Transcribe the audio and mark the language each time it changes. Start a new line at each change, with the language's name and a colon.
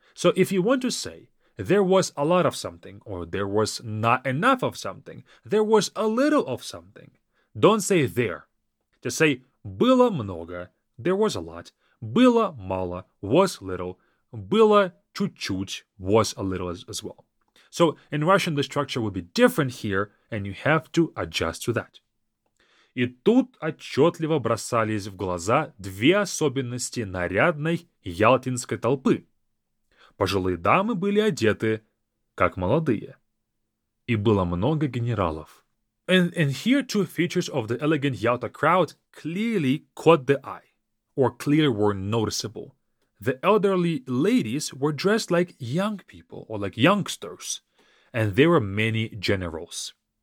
English: So if you want to say there was a lot of something or there was not enough of something, there was a little of something, don't say there. Just say
Russian: было много,
English: there was a lot,
Russian: было мало,
English: was little,
Russian: было чуть-чуть,
English: was a little as well. So in Russian, the structure would be different here, and you have to adjust to that.
Russian: И тут отчетливо бросались в глаза две особенности нарядной ялтинской толпы. Пожилые дамы были одеты, как молодые. И было много генералов.
English: And here two features of the elegant Yalta crowd clearly caught the eye, or clearly were noticeable. The elderly ladies were dressed like young people, or like youngsters, and there were many generals.